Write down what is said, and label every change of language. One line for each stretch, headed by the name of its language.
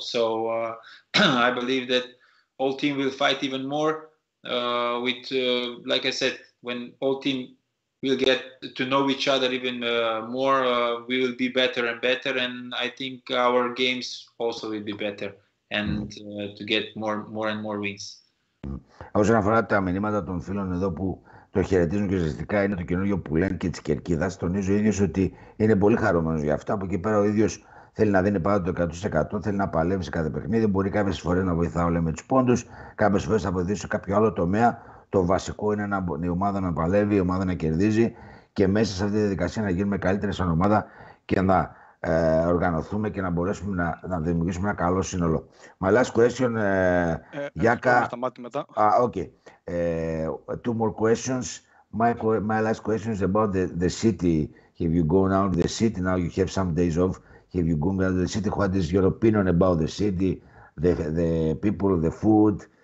English: So I believe that all team will fight even more with, like I said, when all team will get to know each other even more, we will be better and better. And I think our games also will be better and to get more and more wins.
Greek: Όσον αφορά τα μηνύματα των φίλων εδώ που το χαιρετίζουν και ζεστικά, είναι το καινούριο που λένε και τη κερκίδα. Τονίζω ο ίδιος ότι είναι πολύ χαρούμενος για αυτά. Από εκεί πέρα ο ίδιος θέλει να δίνει πάντα το 100%, θέλει να παλεύει σε κάθε παιχνίδι. Μπορεί κάποιες φορές να βοηθάω, λέμε, τους πόντους, κάποιες φορές να βοηθήσει σε κάποιο άλλο τομέα. Το βασικό είναι η ομάδα να παλεύει, η ομάδα να κερδίζει και μέσα σε αυτή τη διαδικασία να γίνουμε καλύτερες σαν ομάδα και να οργανωθούμε και να μπορέσουμε να δημιουργήσουμε ένα καλό σύνολο.
English: My last question, Γιάκα. Okay. Two more questions. My last question is about the city. Have you gone out of the city? Now you have some days off. Have you gone out of the city? What is your opinion about the city, the people, the food?